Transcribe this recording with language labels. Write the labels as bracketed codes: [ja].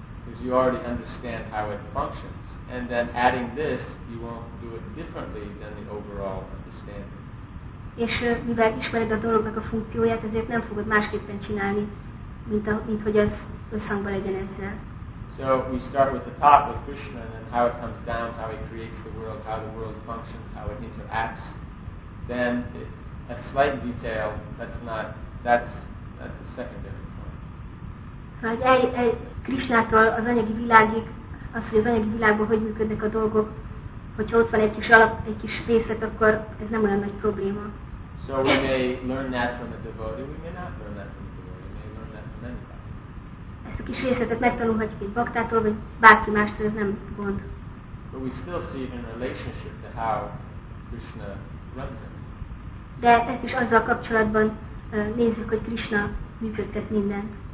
[en] Because you already understand how it functions. And then adding this, you won't do it differently than the overall understanding. [hu] És mivel ismered a dolognak a funkcióját, ezért nem fogod másképpen csinálni, mint hogy az összhangban legyen ezzel. [en] So we start with the top of Krishna and then how it comes down, how he creates the world functions, how it interacts. Then a slight detail, that's a secondary. [hu] Hogy Krishnától az anyagi világig, az, hogy az anyagi világban hogy működnek a dolgok, hogyha ott van egy kis alap, egy kis részlet, akkor ez nem olyan nagy probléma. [en] So we may learn that from a devotee, we may not learn that from a devotee, we may learn that from anybody. [hu] Ezt a kis részletet megtanulhatjuk egy baktától, vagy bárki mástól, ez nem gond. [en] But we still see it in relationship to how Krishna runs it. [hu] De ezt is azzal kapcsolatban nézzük, hogy Krishna működtet mindent.